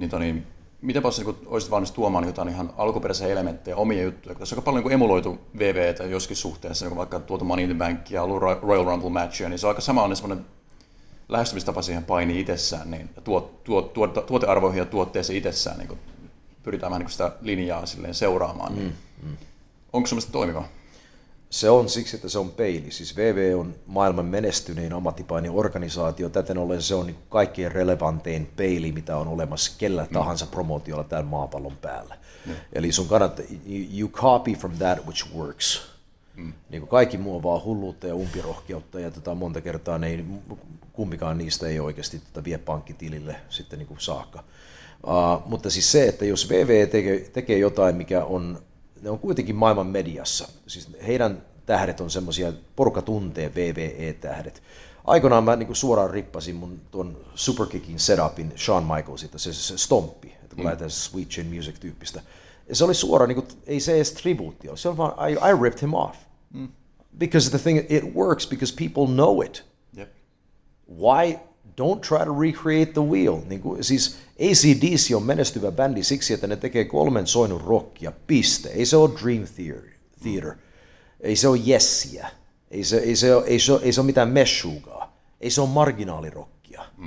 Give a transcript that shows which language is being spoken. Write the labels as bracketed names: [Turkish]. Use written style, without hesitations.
[Finnish] Niin, miten paljon niin olisit valmis tuomaan jotain ihan alkuperäisiä elementtejä, omia juttuja, kun tässä on aika paljon niin emuloitu VV:tä joskin suhteessa, niin vaikka tuotu Money in the Bank ja Royal Rumble matchia, niin se on aika samanlainen semmoinen lähestymistapa siihen painiin itsessään, niin tuotearvoihin ja tuotteeseen itsessään, niin pyritään vähän niin sitä linjaa silleen seuraamaan. Niin. Onko se mielestäni toimiva? Se on siksi, että se on peili. Siis VV on maailman menestynein ammattipainiorganisaatio. Täten ollen se on niin kaikkein relevantein peili, mitä on olemassa kellä tahansa promootiolla tällä maapallon päällä. Eli sun kannattaa, [English] you copy from that which works. [Finnish] Niin kaikki muu on vaan hulluutta ja umpirohkeutta ja monta kertaa ne ei, kummikaan niistä ei oikeasti vie pankkitilille sitten niin saakka. Mutta siis se, että jos VV tekee jotain, mikä on, ne on kuitenkin maailman mediassa. Siis heidän tähdet on semmoisia, porukka tuntee WWE-tähdet. Aikoinaan mä niinku suoraan rippasin mun tuon Superkickin setupin Shawn Michaelsilta, se stomppi, että kun lähdetään Sweet Chin Music-tyyppistä. Ja se oli suoraan, niinku, ei se edes tribuutti ole, se on vaan, [English] I ripped him off. Because the thing, it works because people know it. Yep. Why don't try to recreate the wheel? [Finnish] Niinku, siis AC/DC on menestyvä bändi siksi, että ne tekee kolmen soinnun rockia, piste. Ei se ole Dream Theater. Ei se ole Yesiä. Ei se ole mitään Meshuggaa. Ei se ole marginaalirockia.